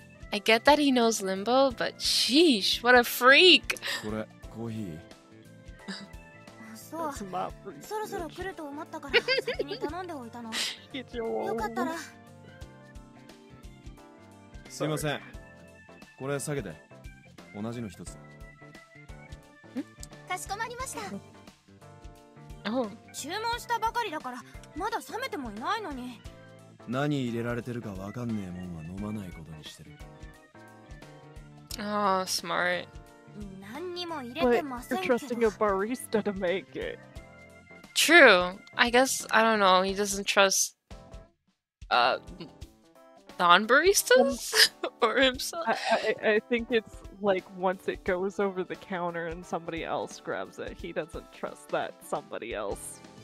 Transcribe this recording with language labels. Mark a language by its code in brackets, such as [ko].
[en] I get that he knows Limbo, but sheesh, what a freak! [ja] これ、コーヒー。そう、そろそろ来ると思ったから、先に頼んでおいたの。よかったら。すみません。これ下げて。同じの一つ。かしこまりました。 [en] Oh. [ja] 注文したばかりだから、まだ冷めてもいないのに。何入れられてるかわかんねえもんは飲まないことにしてる。 [en] Oh, smart. [ja] 何にも入れてませんけど。 [en] But you're trusting a barista to make it. True. I guess, I don't know, he doesn't trust... Non-baristas? or himself? I think it's like once it goes over the counter and somebody else grabs it, he doesn't trust that somebody else.